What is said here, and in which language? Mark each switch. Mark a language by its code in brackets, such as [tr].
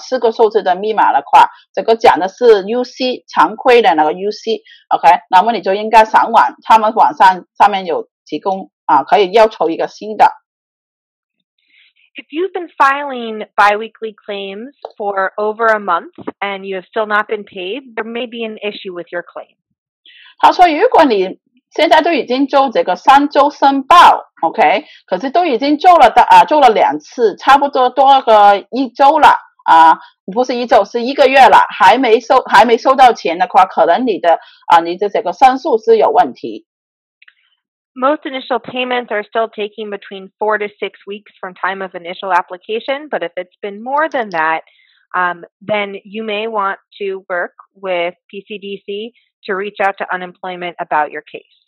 [zh] 他说如果你是申请了，然后现在都已经3周了，还没收到这个密码的话，4个数字的密码的话，这个讲的是 UC 常规的那个 UC, OK, 那么你就应该上网，他们网上上面有提供，可以要求一个新的。 [en] If you've been filing biweekly claims for over a month and you have still not been paid, there may be an issue with your claim. [zh] 他说如果你现在都已经做这个3周申报, OK, 可是都已经做了两次，差不多多个一周了，不是一周，是一个月了，还没收到钱的话，可能你的这个申诉是有问题。 [en] Most initial payments are still taking between 4 to 6 weeks from time of initial application, but if it's been more than that, then you may want to work with PCDC to reach out to unemployment about your case.